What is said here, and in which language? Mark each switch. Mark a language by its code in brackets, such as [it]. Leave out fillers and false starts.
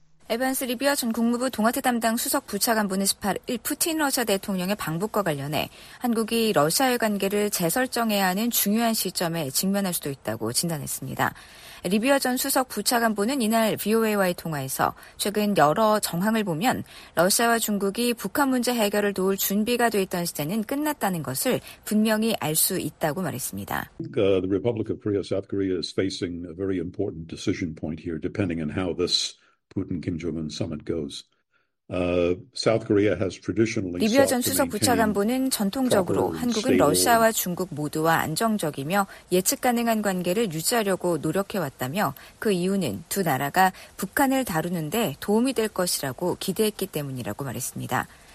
[ko] 에반스 리비아 전 국무부 동아태 담당 수석 부차관부는 18일 푸틴 러시아 대통령의 방북과 관련해 한국이 러시아의 관계를 재설정해야 하는 중요한 시점에 직면할 수도 있다고 진단했습니다. 리비아 전 수석 부차관부는 이날 VOA와의 통화에서 최근 여러 정황을 보면 러시아와 중국이 북한 문제 해결을 도울 준비가 돼 있던 시대는 끝났다는 것을 분명히 알 수 있다고 말했습니다. [en] The Republic of Korea, South Korea is facing a very important decision point here depending on how this Putin Kim Jong Un summit goes. South Korea has traditionally [ko] 리비아 전 수석 부차관부는 전통적으로 한국은 러시아와 중국 모두와 안정적이며 예측 가능한 관계를 유지하려고 노력해 왔다며 그 이유는 두 나라가 북한을 다루는데 도움이 될 것이라고 기대했기 때문이라고 말했습니다.